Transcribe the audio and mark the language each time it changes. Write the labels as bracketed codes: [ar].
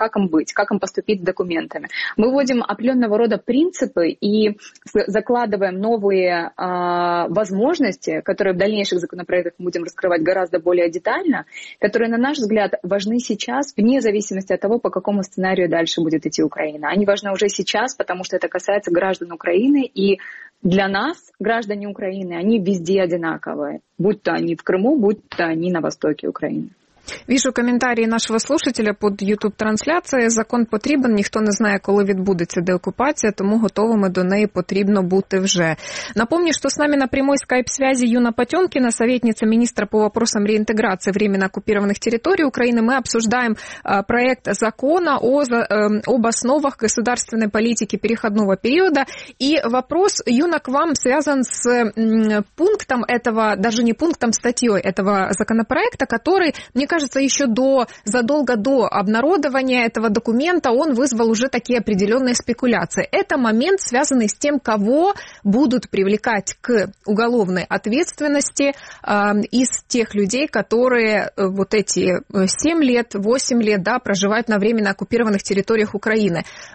[ru] Как им быть, как им поступить с документами? Мы вводим определенного рода принципы и закладываем новые возможности, которые в дальнейших законопроектах мы будем раскрывать гораздо более детально, которые, на наш взгляд, важны сейчас, вне зависимости от того, по какому сценарию дальше будет идти Украина. Они важны уже сейчас, потому что это касается граждан Украины, и для нас, граждане Украины, они везде одинаковые, будь то они в Крыму, будь то они на востоке Украины. Вижу коментарии нашего слушателя под YouTube-трансляцією. [uk] Закон потрібен, ніхто не знає, коли відбудеться деокупація, тому готовими до неї потрібно бути вже. [ru] Напомню, що з нами на прямой скайп-связі Юна Потьомкіна, советниця міністра по вопросам реінтеграції временно оккупированих територій України. Ми обсуждаємо проєкт закону об основах государственной політики переходного періоду. І вопрос, Юна, к вам связан з пунктом этого, даже не пунктом, статтею этого законопроекта, который, мені кажется, кажется, еще задолго до обнародования этого документа он вызвал уже такие определенные спекуляции. Это момент, связанный с тем, кого будут привлекать к уголовной ответственности из тех людей, которые вот эти 7 лет, 8 лет, да, проживают на временно оккупированных территориях Украины.